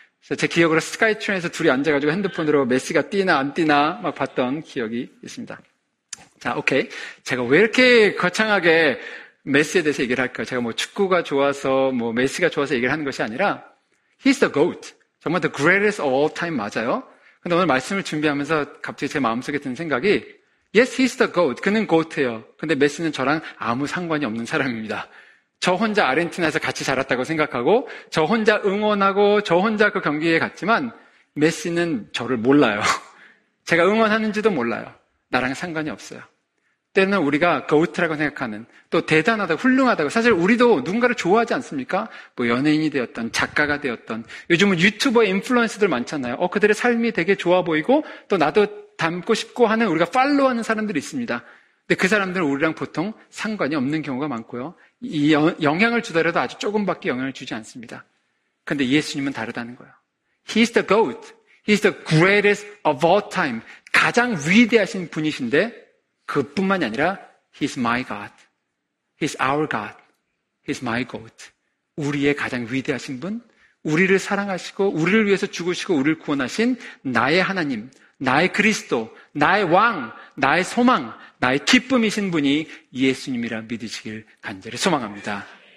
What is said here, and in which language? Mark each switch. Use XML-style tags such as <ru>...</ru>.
<ko>그래서 제 기억으로 스카이트랜에서 둘이 앉아가지고 핸드폰으로 메시가 뛰나 안 뛰나 막 봤던 기억이 있습니다. 자, 오케이. 제가 왜 이렇게 거창하게 메시에 대해서 얘기를 할까요? 제가 뭐 축구가 좋아서 뭐 메시가 좋아서 얘기를 하는 것이 아니라</ko> <en>He's the GOAT.</en> <ko>정말</ko> <en>the greatest of all time</en> <ko>맞아요. 근데 오늘 말씀을 준비하면서 갑자기 제 마음속에 든 생각이</ko> <en>Yes, he's the GOAT.</en> <ko>그는 GOAT예요. 근데 메시는 저랑 아무 상관이 없는 사람입니다. 저 혼자 아르헨티나에서 같이 자랐다고 생각하고 저 혼자 응원하고 저 혼자 그 경기에 갔지만 메시는 저를 몰라요. 제가 응원하는지도 몰라요. 나랑 상관이 없어요. 때는 우리가 GOAT라고 생각하는 또 대단하다 훌륭하다고 사실 우리도 누군가를 좋아하지 않습니까? 뭐 연예인이 되었던 작가가 되었던 요즘은 유튜버 인플루언서들 많잖아요. 그들의 삶이 되게 좋아 보이고 또 나도 닮고 싶고 하는 우리가 팔로우하는 사람들이 있습니다. 근데 그 사람들은 우리랑 보통 상관이 없는 경우가 많고요. 이 영향을 주더라도 아주 조금밖에 영향을 주지 않습니다. 근데 예수님은 다르다는 거예요.</ko> <en>He's the GOAT. He's the greatest of all time.</en> <ko>가장 위대하신 분이신데 그뿐만이 아니라</ko> <en>He's my God. He's our God. He's my GOAT.</en> <ko>우리의 가장 위대하신 분, 우리를 사랑하시고 우리를 위해서 죽으시고 우리를 구원하신 나의 하나님, 나의 그리스도, 나의 왕, 나의 소망, 나의 기쁨이신 분이 예수님이라 믿으시길 간절히 소망합니다.</ko>